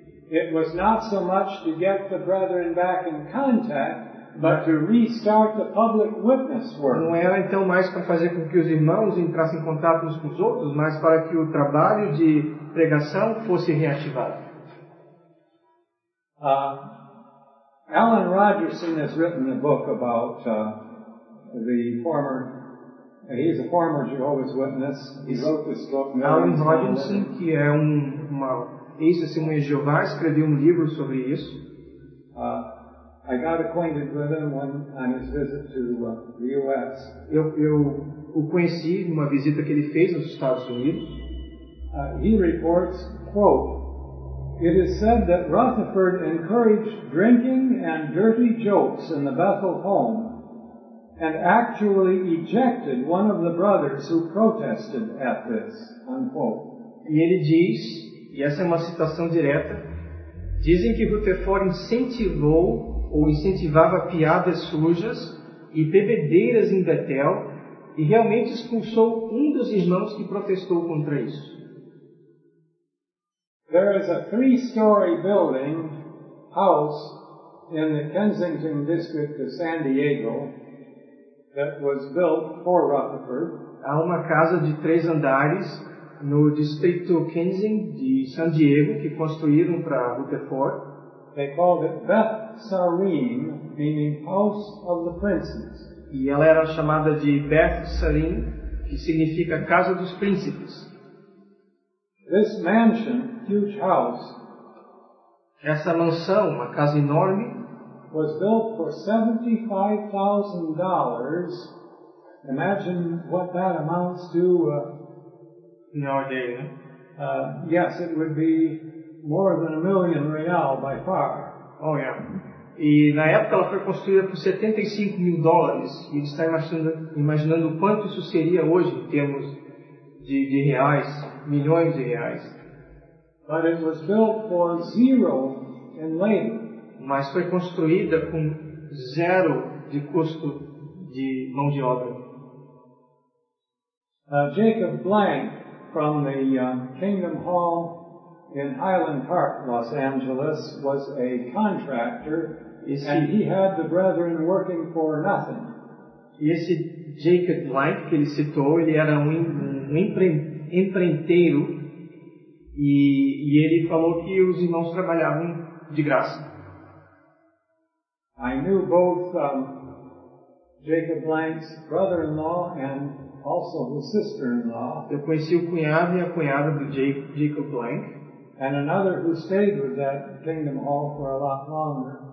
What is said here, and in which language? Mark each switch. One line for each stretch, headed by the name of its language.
English: it was not so much to get the brethren back in contact, but to restart the public witness work.
Portuguese: Não era então mais para fazer com que os irmãos entrassem em contato uns com os outros, mas para que o trabalho de pregação fosse reativado.
English: Alan Rogerson has written a book about he's a former Jehovah's Witness. He wrote this book.
Portuguese: Alan Rogerson, que é uma ex-testemunha de Jeová, escreveu livro sobre isso.
English: I got acquainted with him on his visit to the U.S.
Portuguese: Eu o conheci numa visita que ele fez aos Estados Unidos.
English: He reports, quote, "It is said that Rutherford encouraged drinking and dirty jokes in the Bethel home and actually ejected one of the brothers who protested at this," unquote.
Portuguese: E ele diz, e essa é uma citação direta, dizem que Rutherford incentivou ou incentivava piadas sujas e bebedeiras em Bethel e realmente expulsou um dos irmãos que protestou contra isso.
English: There is a three-story building house in the Kensington district of San Diego that was built for Rutherford.
Portuguese: Há uma casa de três andares no distrito Kensington de San Diego que construíram para Rutherford.
English: They called it Beth Sarim, meaning House of the Princes.
Portuguese: E ela era chamada de Beth Sarim, que significa Casa dos Príncipes.
English: This mansion, huge house,
Portuguese: essa mansão, uma casa enorme,
English: was built for $75,000. Imagine what that amounts to in our day, né? Yes, it would be more than a million real by far. Oh, yeah.
Portuguese: E na época ela foi construída por $75,000. E ele está imaginando quanto isso seria hoje em termos de reais, milhões de reais.
English: But it was built for zero in labor.
Portuguese: Mas foi construída com zero de custo de mão de obra.
English: Jacob Blank, from the Kingdom Hall in Highland Park, Los Angeles, was a contractor. And he had the brethren working for nothing.
Portuguese: E esse Jacob Blank que ele citou, ele era empreiteiro e ele falou que os irmãos trabalhavam de graça.
English: I knew both Jacob Blank's brother-in-law and also his sister-in-law.
Portuguese: Eu conheci o cunhado e a cunhada do Jacob Blank.
English: And another who stayed with that Kingdom Hall for a lot longer.